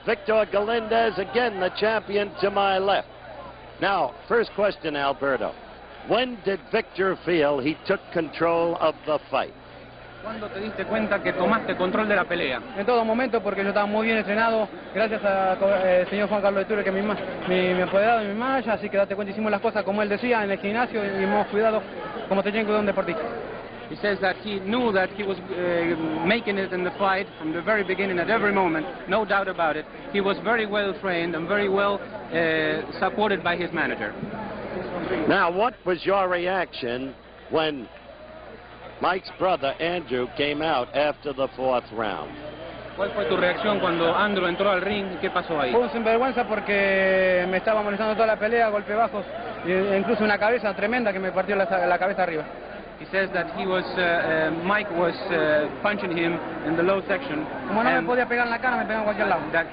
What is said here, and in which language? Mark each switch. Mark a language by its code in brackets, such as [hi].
[en] Victor Galindez, again the champion, to my left. Now, first question, Alberto. When did Victor feel he took control of the fight? [es] Cuando te diste cuenta que tomaste control de la pelea. En todo momento, porque yo estaba muy bien entrenado, gracias a señor Juan Carlos Iturri, que me apoderado en mi match, así que date cuenta, hicimos las cosas como él decía, en el gimnasio, y hemos cuidado como te llenco de un deportista. [en] He says that he knew that he was making it in the fight from the very beginning, at every moment, no doubt about it. He was very well trained and very well supported by his manager. Now, what was your reaction when Mike's brother, Andrew, came out after the fourth round? [es] ¿Cuál fue tu reacción cuando Andrew entró al ring? ¿Qué pasó ahí? Fue un sinvergüenza porque me estaba molestando toda la pelea, golpe bajos, incluso una cabeza tremenda que me partió la cabeza arriba. [en] He says that he was Mike was punching him in the low section. [es] Como no me podía pegar en la cara, me pegaba en cualquier lado.